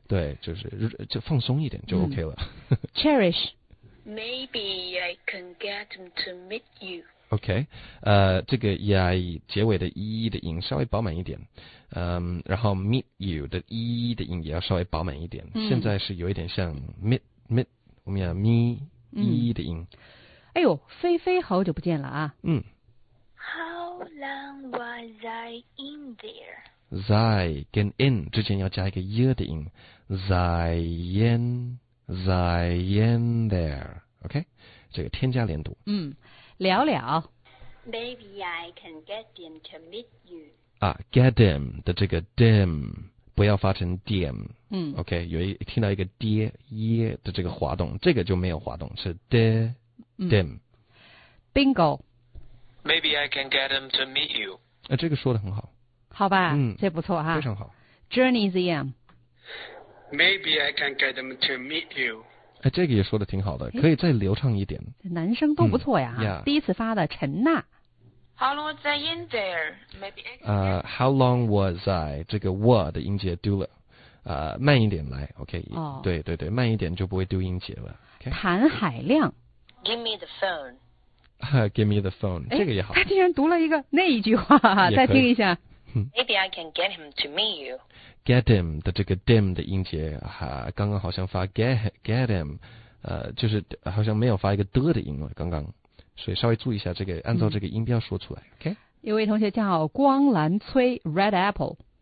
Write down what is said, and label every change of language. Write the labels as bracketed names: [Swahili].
[Chinese] 对，就放松一点就 OK 了。 [English] 嗯、Cherish， maybe I can get them to meet you。 [Chinese] OK， 这个 yi 结尾的 e 的音稍微饱满一点，嗯，然后 meet you 的 e 的音也要稍微饱满一点。嗯、现在是有一点像 meet 我们要 me、嗯、 e 的音。哎呦，菲菲好久不见了啊。嗯。 [English] How long was I in there? [Chinese] Zai 跟 in 之间要加一个 y 的音 ，Zai in there. OK， 这个添加连读。嗯，聊聊。 [English] Maybe I can get them to meet you. [Chinese] 啊 ，get them 的这个 them 不要发成 them。嗯，OK， 有一听到一个 de 的这个滑动，这个就没有滑动，是 de them、 [English] 嗯。Bingo。 Maybe I can get them to meet you. [Chinese] 这个说得很好。好吧，嗯，这不错哈。非常好。 [English] Journey's end. Maybe I can get them to meet you. [Chinese] 这个也说得挺好的，可以再流畅一点。男生都不错呀，嗯、第一次发的陈娜。 [English] Yeah. How long was I in there? Maybe. [Chinese] How long was I? 这个 was 的音节丢了，慢一点来 ，OK？哦、 oh. ，对对对，慢一点就不会丢音节了。 [English] Okay? [Chinese] 谭海亮。 [English] Give me the phone. Give me the phone， 这个也好。 [Chinese] 他竟然读了一个那一句话，再听一下。 [English] Maybe I can get him to meet you。 [Chinese] Get him 的这个 them 的音节，刚刚好像发 get him， 就是好像没有发一个的的音了，刚刚，所以稍微注意一下这个，按照这个音标说出来。OK。一位同学叫光蓝崔 ，Red Apple。